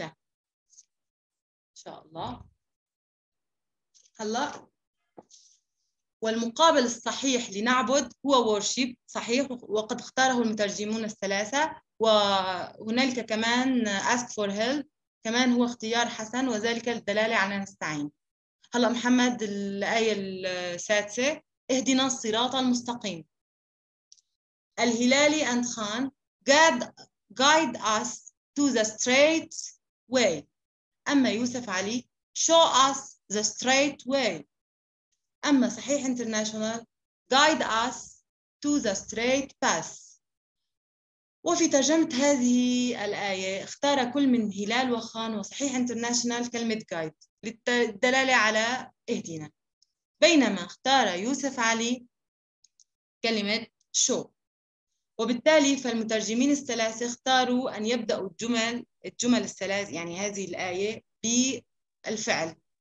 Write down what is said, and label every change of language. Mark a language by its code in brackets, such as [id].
[ar] إن شاء الله. هلا والمقابل الصحيح لنعبد هو worship، صحيح وقد اختاره المترجمون الثلاثة، وهنالك كمان ask for help كمان هو اختيار حسن، وذلك الدلالة على نستعين. هلأ محمد الآية السادسة، اهدنا الصراط المستقيم. [en] الهلالي and Khan, God guide us to the straight way. أما Yusuf Ali, show us the straight way. أما صحيح international, guide us to the straight path. [ar] وفي ترجمة هذه الآية اختار كل من هلال وخان وصحيح انترناشنال كلمة guide للدلالة على اهدنا، بينما اختار يوسف علي كلمة show. وبالتالي فالمترجمين الثلاثة اختاروا أن يبدأوا الجمل الثلاث، يعني هذه الآية، بالفعل.